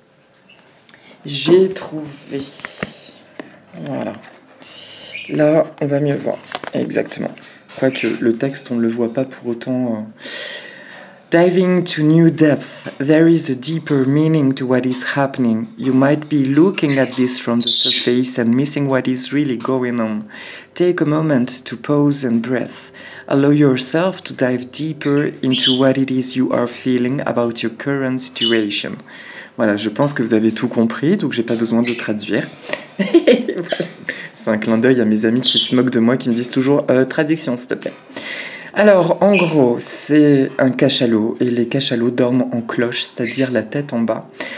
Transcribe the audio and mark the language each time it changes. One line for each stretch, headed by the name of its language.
French: Voilà. J'ai trouvé. Voilà. Là, on va mieux voir. Exactement. Quoique le texte, on ne le voit pas pour autant.
English: Diving to new depth, there is a deeper meaning to what is happening. You might be looking at this from the surface and missing what is really going on. Take a moment to pause and breathe. Allow yourself to dive deeper into what it is you are feeling about your current situation.
French: Voilà, je pense que vous avez tout compris, donc j'ai pas besoin de traduire. Voilà. C'est un clin d'œil à mes amis qui se moquent de moi, qui me disent toujours « traduction, s'il te plaît ». Alors, en gros, c'est un cachalot, et les cachalots dorment en cloche, c'est-à-dire la tête en bas.